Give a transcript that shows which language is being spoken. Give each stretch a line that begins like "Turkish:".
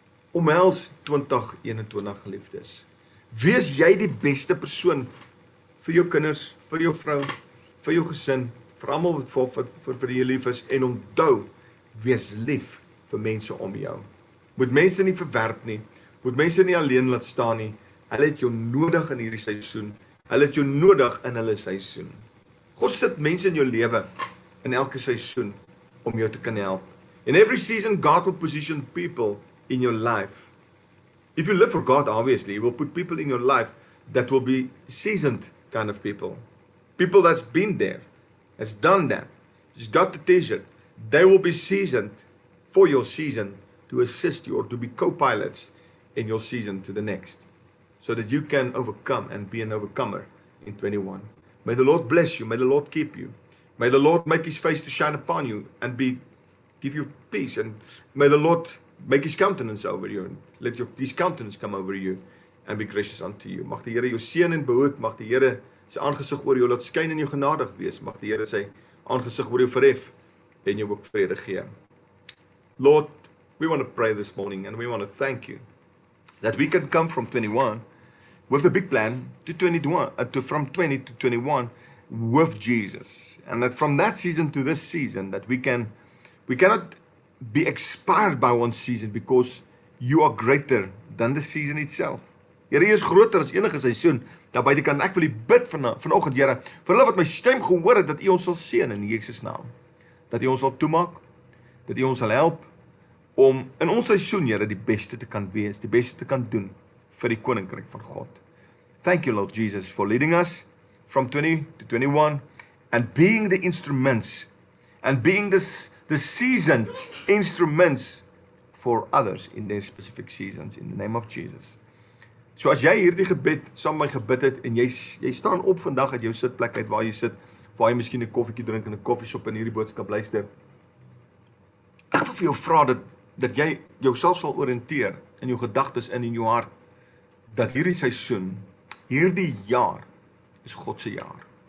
Afrikaans: Omhels 2021, geliefdes. Wees jy die beste persoon vir jou kinders, vir jou vrou, vir jou gesin, vir almal wat vir jou lief is, en onthou, wees lief vir mense om jou. Moet mense nie verwerp nie, moet mense nie alleen laat staan nie. Hulle het jou nodig in hierdie seisoen. Hulle het jou nodig in hulle seisoen. God sit mense in jou lewe in elke seisoen om jou te kan help.
English: In every season God will position people in your life. If you live for God, obviously, He will put people in your life that will be seasoned kind of people. People that's been there, has done that, has got the t-shirt. They will be seasoned for your season to assist you or to be co-pilots in your season to the next. So that you can overcome and be an overcomer in 21. May the Lord bless you. May the Lord keep you. May the Lord make His face to shine upon you and be give you peace. And may the Lord make His countenance over you and let His countenance come over you and be gracious unto you.
Afrikaans: Mag die Here jou seën en behoed. Mag die Here sy aangesig oor jou laat skyn en jou genadig wees. Mag die Here sy aangesig oor jou verhef en jou ook vrede gee.
English: Lord, we want to pray this morning and we want to thank you that we can come from 21 with a big plan to 21 to from 20 to 21 with Jesus, and that from that season to this season that we cannot be expired by one season because you are greater than the season itself.
Afrikaans: Here is groter as enige seisoen dat by die kan ek wil die bid vanoggend Here vir hulle wat my stem gehoor het dat U ons sal seën in Jesus naam, dat U ons sal toemaak, dat U ons sal help om in ons seisoen Here die beste te kan wees, die beste te kan doen vir die koninkryk van God.
English: Thank you Lord Jesus for leading us from 20 to 21 and being the instruments and being the seasoned instruments for others in their specific seasons in the name of Jesus.
Afrikaans: So as jy hierdie gebed saam my gebid het en jy staan op vandag uit jou sitplek uit waar jy sit, waar jy miskien 'n koffietjie drink in 'n koffieshop en hierdie boodskap luister. Ek wil vir jou vra dat jy jouself sal oriënteer in jou gedagtes en in jou hart dat hierdie seisoen, hierdie jaar is God se jaar.